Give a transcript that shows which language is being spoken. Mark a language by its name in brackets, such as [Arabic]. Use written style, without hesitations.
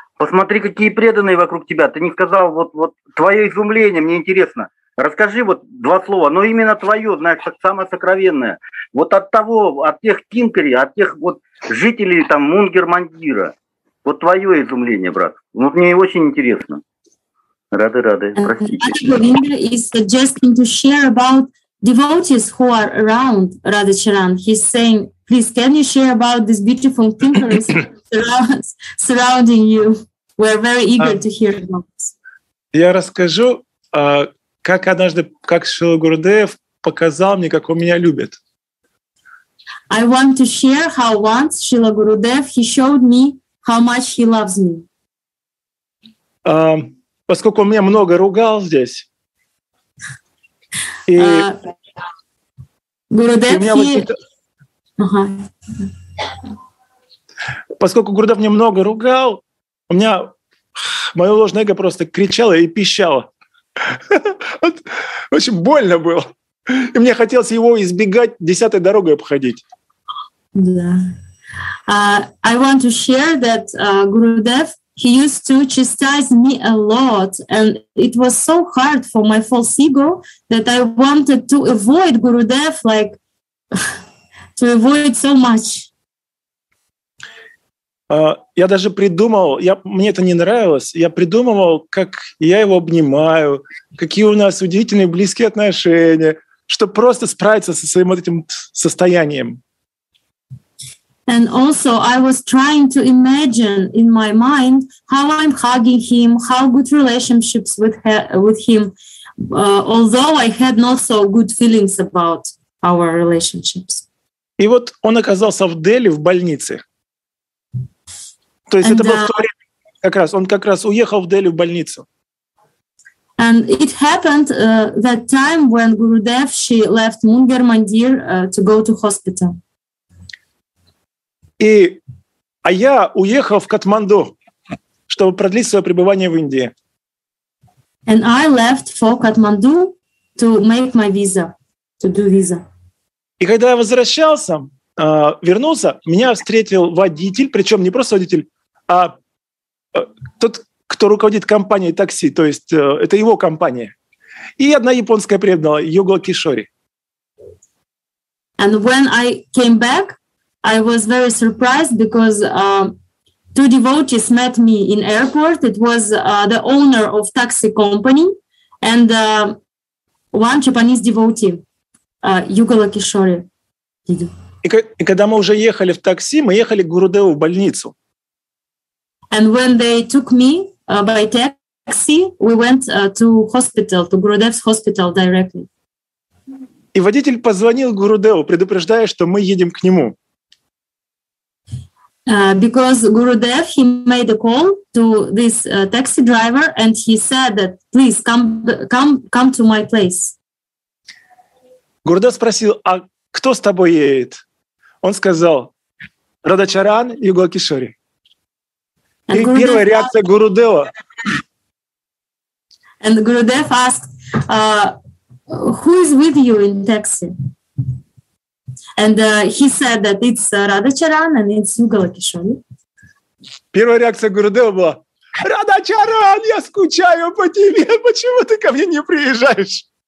[Russian] Посмотри, какие преданные вокруг тебя. Ты не сказал, вот твое изумление, мне интересно. Расскажи вот два слова, но именно твое, знаешь, самое сокровенное. Вот от того, от тех кинкари, от тех вот жителей там Мунгер-Мандира. Вот твое изумление, брат. Вот мне очень интересно. Рады-рады, простите. [English] Govinda is suggesting to share about devotees who are around Radha Charan. He's saying, please, can you share about these beautiful kinkaris surrounding you? We're very eager to hear about this. [Russian] Я расскажу, как однажды, как Шрила Гурудев показал мне, как он меня любит. [English] I want to share how once Shrila Gurudev, he showed me how much he loves me. [Russian] Поскольку он меня много ругал здесь. И [English] Gurudev, he... [Russian] Поскольку Гурудев меня много ругал, у меня мое ложное эго просто кричало и пищало. Очень больно было. И мне хотелось его избегать, десятой дорогой обходить. [English] Yeah. I want to share that Gurudev, he used to chastise me a lot, and it was so hard for my false ego that I wanted to avoid Gurudev, like to avoid so much. [Russian] Я даже придумал, мне это не нравилось, я придумывал, как я его обнимаю, какие у нас удивительные близкие отношения, чтобы просто справиться со своим вот этим состоянием. [English] And also I was trying to imagine in my mind how I'm hugging him, how good relationships with him, although I had not so good feelings about our relationships. [Russian] И вот он оказался в Дели, в больнице. То есть это было в то время, как раз, он как раз уехал в Дели в больницу. [English] And it happened that time when Gurudev, she left Munger Mandir to go to hospital. [Russian] И, а я уехал в Катманду, чтобы продлить свое пребывание в Индии. [English] And I left for Kathmandu to make my visa, to do visa. [Russian] И когда я возвращался, вернулся, меня встретил водитель, причем не просто водитель, а тот, кто руководит компанией такси, то есть это его компания. И одна японская преданная, Юго Кишори. [English] And when I came back, I was very surprised because two devotees met me in airport. It was the owner of taxi company and one Japanese devotee, Yugala Kishori. [Russian] И когда мы уже ехали в такси, мы ехали к Гурудеву в больницу. [English] And when they took me by taxi, we went to hospital, to Gurudev's hospital directly. [Russian] И водитель позвонил Гурудеву, предупреждая, что мы едем к нему. [English] Because Gurudev, he made a call to this taxi driver and he said that, please, come to my place. [Russian] Gurudev спросил, а кто с тобой едет? Он сказал, Radha Charan, Yuga Kishori. И первая реакция Гурудева. [English] And Gurudev asked, who is with you in taxi? And he said that it's Radha Charan and it's Yugala Kishori. [Russian] Первая реакция Гурудева была: Radha Charan, я скучаю по тебе. Почему ты ко мне не приезжаешь?